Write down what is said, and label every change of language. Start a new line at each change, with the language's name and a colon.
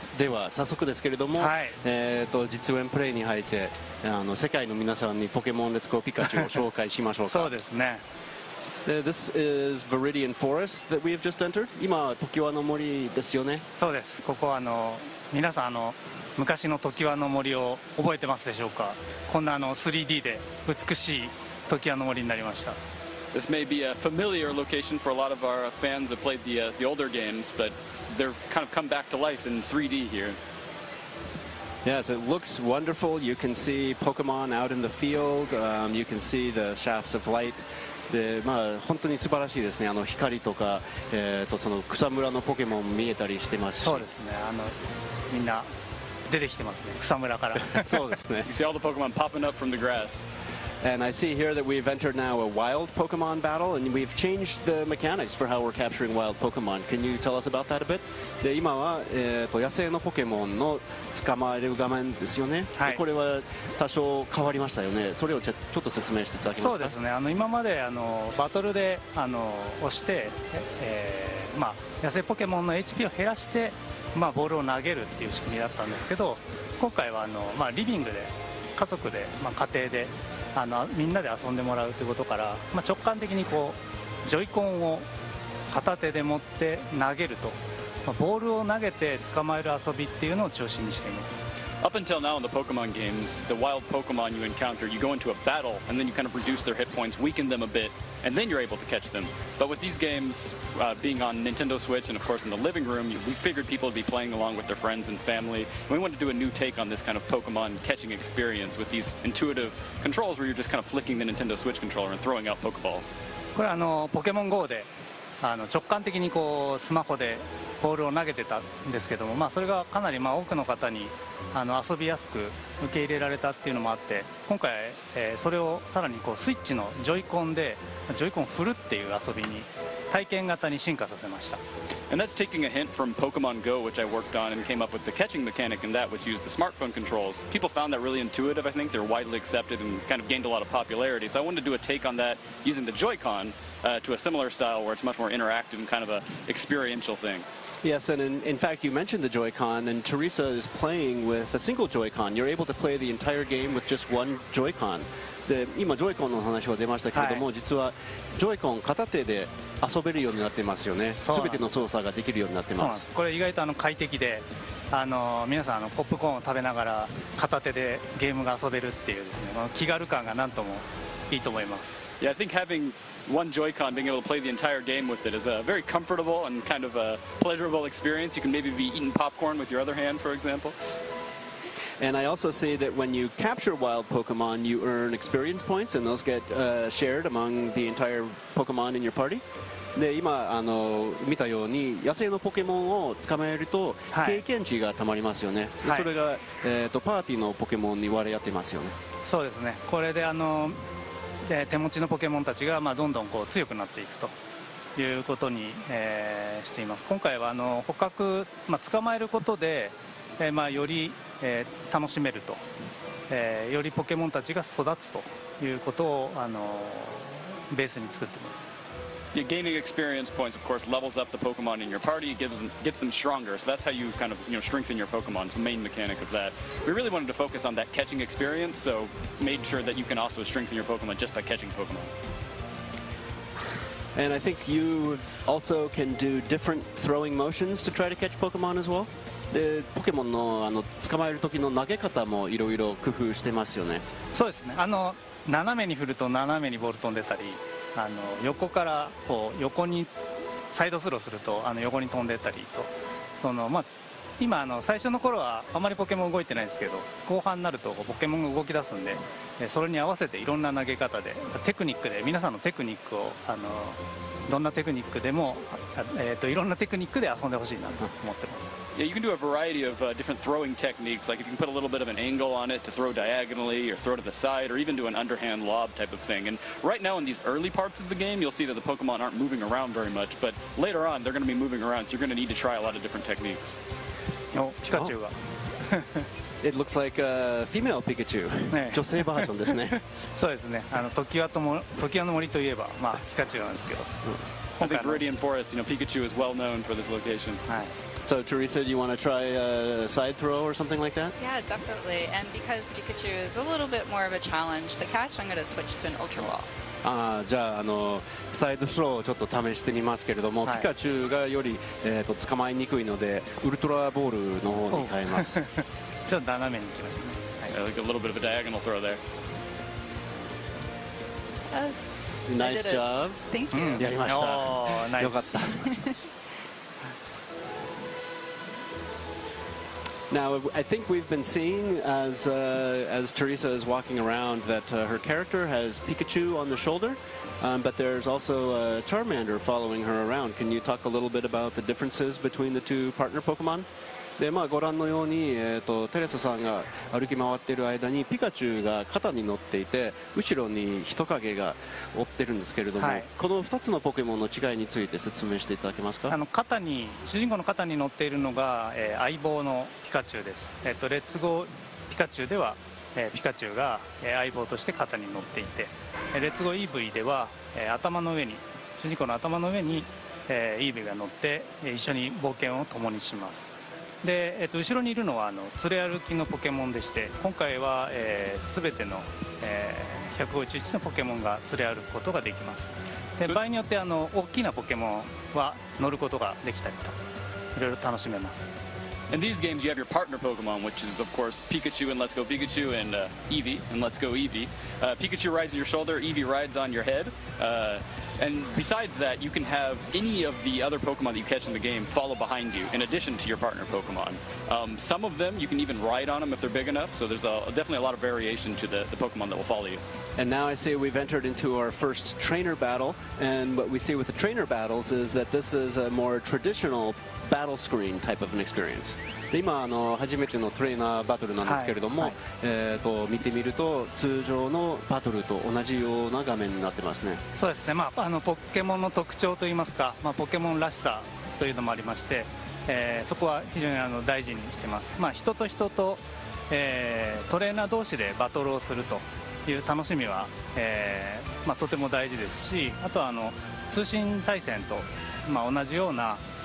Japanese: では早速ですけれども、はい、実演プレイに入って、あの世界の皆さんにポケモンレッツゴーピカチュウを紹介しましょうか。そうですね。
English: This is Viridian Forest that we have just entered.
Japanese: 今トキワの森ですよね。そうです。ここはあの皆さんあの昔のトキワの森を覚えてますでしょうか。こんなあの 3D で美しいトキワの森になりました。
English: This may be a familiar location for a lot of our fans that played the older games, but they've kind of come back to life in 3D here. Yes, it looks wonderful. You can see Pokemon out in the field. You can see the shafts of light.
Japanese: で、まあ、本当に素晴らしいですね。あの光とか、その草むらのポケモン見えたりしてますし。そうですね。あのみんな出てきてますね。草むらから。そうですね。
English: You see all the Pokemon popping up from the grass. And I see here that we've entered now a wild Pokemon battle, and we've changed the mechanics for how we're capturing wild Pokemon. Can you tell us about that a bit?
Japanese: で、今は、野生のポケモンの捕まえる画面ですよね。はい。で、これは多少変わりましたよね。それをちょっと説明していただけますか。そうですね。あの、今まで、あの、バトルで、あの、押して、まあ、野生ポケモンの HP を減らして、まあ、ボールを投げるっていう仕組みだったんですけど、今回は、あの、まあ、リビングで、家族で、まあ、家庭で、あのみんなで遊んでもらうということから、まあ、直感的にこうジョイコンを片手で持って投げると、まあ、ボールを投げて捕まえる遊びっていうのを中心にしています。
English: Up until now in the Pokemon games, the wild Pokemon you encounter, you go into a battle and then you kind of reduce their hit points, weaken them a bit, and then you're able to catch them. But with these games, being on Nintendo Switch and of course in the living room, we figured people would be playing along with their friends and family. We wanted to do a new take on this kind of Pokemon catching experience with these intuitive controls where you're just kind of flicking the Nintendo Switch controller and throwing out Pokeballs.
Japanese: これあの、Pokemon GO で、あの、直感的にこう、スマホでボールを投げてたんですけども、まあ、それがかなり、まあ、多くの方にあの遊びやすく受け入れられたっていうのもあって、今回、それをさらにこうスイッチのジョイコンでジョイコン振るっていう遊びに体験型に進化させました。
English: And that's taking a hint from Pokemon Go, which I worked on and came up with the catching mechanic in that, which used the smartphone controls. People found that really intuitive, I think they're widely accepted and kind of gained a lot of popularity. So I wanted to do a take on that using the Joy-Con, to a similar style where it's much more interactive and kind of an experiential thing. Yes, and in fact, you mentioned the Joy-Con, and Teresa is playing with a single Joy-Con. You're able to play the entire game with just one Joy-Con.
Japanese: で、今、Joy-Con の話は出ましたけれども、はい、実は、Joy-Con 片手で遊べるようになってますよね。そうなんです。全ての操作ができるようになってます。そうなんです。これ意外とあの快適で、あの、皆さんあの、ポップコーンを食べながら片手でゲームが遊べるっていうですね、この気軽感がなんともいいと思います。
English: Yeah, I think having... One Joy-Con, being able to play the entire game with it is a very comfortable and kind of a pleasurable experience. You can maybe be eating popcorn with your other hand, for example. And I also see that when you capture wild Pokemon, you earn experience points, and those get shared among the entire Pokemon in your party.
Japanese: で、今あの見たように野生のポケモンを捕まえると経験値がたまりますよね、はい、それが、パーティーのポケモンに割り当てますよね。そうですね。これであの手持ちのポケモンたちがまあどんどんこう強くなっていくということに、しています。今回はあの捕獲、まあ、捕まえることで、まあ、より、楽しめると、よりポケモンたちが育つということを、ベースに作っています。
English: Yeah, gaining experience points of course levels up the Pokemon in your party, gets them stronger, so that's how you kind of, you know, strengthen your Pokemon. It's the main mechanic of that. We really wanted to focus on that catching experience, so made sure that you can also strengthen your Pokemon just by catching Pokemon. And I think you also can do different throwing motions to try to catch Pokemon as well.
Japanese: で、ポケモンの、あの、捕まえる時の投げ方もいろいろ工夫してますよね。そうですね。あの、斜めに振ると斜めにボール飛んでたり、あの、横からこう横にサイドスローすると、あの、横に飛んでたりと、その、まあ、今あの最初の頃はあまりポケモン動いてないですけど、後半になるとポケモンが動き出すんで、それに合わせていろんな投げ方でテクニックで、皆さんのテクニックを、あの、どんなテクニックでも、いろんなテクニックで遊んでほしいなと思ってます。
English: Yeah, you can do a variety of different throwing techniques, like if you can put a little bit of an angle on it to throw diagonally or throw to the side or even do an underhand lob type of thing. And right now in these early parts of the game, you'll see that the Pokemon aren't moving around very much, but later on they're going to be moving around, so you're going to need to try a lot of different techniques. Oh, Pikachu. Oh. It looks like a female Pikachu.
Japanese: 女性バージョンですね。そうですね。あの、トキワの森といえば、まあ、ピカチュウなんですけど。
English: I think Viridian Forest, you know, Pikachu is well known for this location.
Japanese: はい。
English: So, Teresa, do you want to try a side throw or something like that? Yeah, definitely. And because Pikachu is a little bit more of a challenge to catch, I'm going to switch to an Ultra Ball.
Japanese: ああじゃあ、 あのサイドスローをちょっと試してみますけれども、はい、ピカチュウがより、捕まえにくいのでウルトラボールの方に変えますちょっと斜めに来ましたね、
English: はい、like a little bit of a diagonal throw there. Yes. Nice job. Thank you.
Japanese: やりました、
English: oh, nice.
Japanese: よかった
English: Now, I think we've been seeing as Teresa is walking around that her character has Pikachu on the shoulder, but there's also Charmander following her around. Can you talk a little bit about the differences between the two partner Pokemon?
Japanese: でまあ、ご覧のように、テレサさんが歩き回っている間にピカチュウが肩に乗っていて後ろに人影が追ってるんですけれども、はい、この2つのポケモンの違いについて説明していただけますか。あの肩に主人公の肩に乗っているのが、相棒のピカチュウです、レッツゴーピカチュウでは、ピカチュウが、相棒として肩に乗っていて、レッツゴーイーブイでは、頭の上に主人公の頭の上に、イーブイが乗って一緒に冒険を共にします。で後ろにいるのはあの連れ歩きのポケモンでして今回は、全ての、151のポケモンが連れ歩くことができます。で場合によってあの大きなポケモンは乗ることができたりといろいろ楽しめます。
English: In these games you have your partner Pokemon which is of course Pikachu and Let's Go Pikachu and Eevee and Let's Go Eevee、Pikachu rides on your shoulder, Eevee rides on your head、And besides that, you can have any of the other Pokemon that you catch in the game follow behind you, in addition to your partner Pokemon. Some of them, you can even ride on them if they're big enough, so there's definitely a lot of variation to the Pokemon that will follow you. And now I see we've entered into our first trainer battle, and what we see with the trainer battles is that this is a more traditional battle screen type of an experience.
Japanese: 今あの初めてのトレーナーバトルなんですけれども、はい、見てみると通常のバトルと同じような画面になってますね。そうですね、まあ、あのポケモンの特徴といいますか、まあ、ポケモンらしさというのもありまして、そこは非常にあの大事にしてます、まあ、人と人と、トレーナー同士でバトルをするという楽しみは、まあ、とても大事ですし、あとはあの通信対戦と、まあ、同じような、